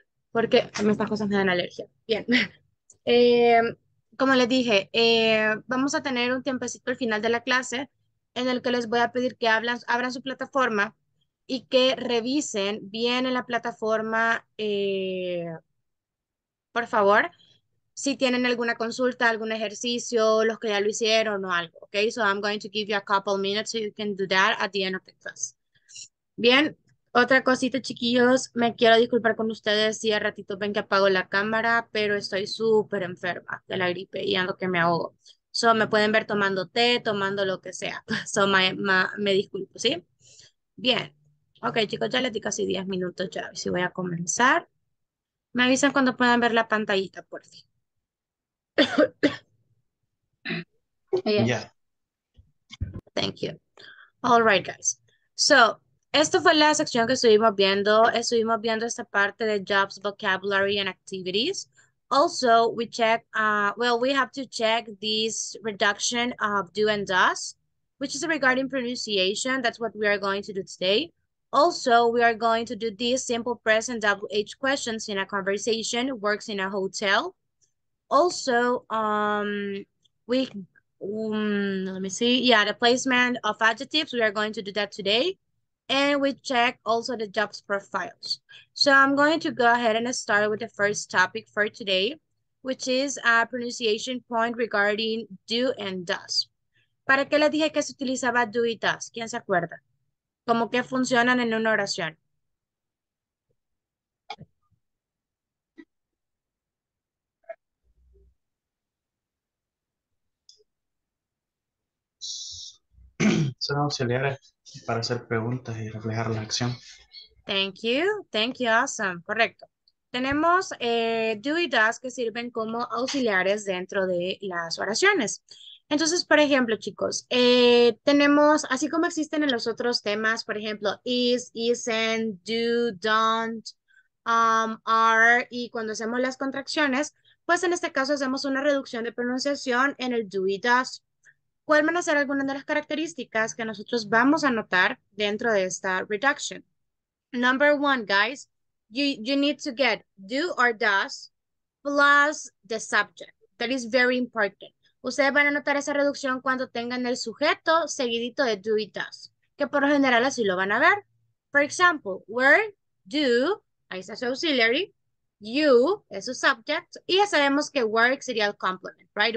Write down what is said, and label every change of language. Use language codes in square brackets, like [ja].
[es] porque a mí estas cosas me dan alergia. Bien. Como les dije, vamos a tener un tiempecito al final de la clase en el que les voy a pedir que abran su plataforma y que revisen bien en la plataforma, por favor, si tienen alguna consulta, algún ejercicio, los que ya lo hicieron o algo. [en] Okay, so I'm going to give you a couple minutes so you can do that at the end of the class. [es] Bien, otra cosita, chiquillos, me quiero disculpar con ustedes si a ratito ven que apago la cámara, pero estoy súper enferma de la gripe y ando que me ahogo. So me pueden ver tomando té, tomando lo que sea. So me disculpo, ¿sí? Bien. Ok, chicos, ya les di casi 10 minutos ya. Si voy a comenzar. Me avisan cuando puedan ver la pantallita, por fin. [en] Yes. Thank you. All right, guys. [es] So, esto fue la sección que estuvimos viendo. Estuvimos viendo esta parte de [en] jobs, vocabulary, and activities. Also, we check, well, we have to check this reduction of do and does, which is regarding pronunciation. That's what we are going to do today. Also, we are going to do these simple present WH questions in a conversation, works in a hotel. Also, let me see. Yeah, the placement of adjectives, we are going to do that today. And we check also the jobs profiles. So I'm going to go ahead and start with the first topic for today, which is a pronunciation point regarding do and does. [es] ¿Para qué le dije que se utilizaba do y does? ¿Quién se acuerda? ¿Cómo que funcionan en una oración? Son auxiliares para hacer preguntas y reflejar la acción. [en] Thank you, awesome, correcto. [es] Tenemos do y does que sirven como auxiliares dentro de las oraciones. Entonces, por ejemplo, chicos, tenemos, así como existen en los otros temas, por ejemplo, is, isn't, do, don't, are, y cuando hacemos las contracciones, pues en este caso hacemos una reducción de pronunciación en el do y does. ¿Cuáles van a ser algunas de las características que nosotros vamos a notar dentro de esta reduction? [en] Number one, guys, you need to get do or does plus the subject. That is very important. [es] Ustedes van a notar esa reducción cuando tengan el sujeto seguidito de do y does, que por lo general así lo van a ver. [en] For example, where do, [es] ahí está su auxiliary, you es su subject, y ya sabemos que work sería el complement, [en] right?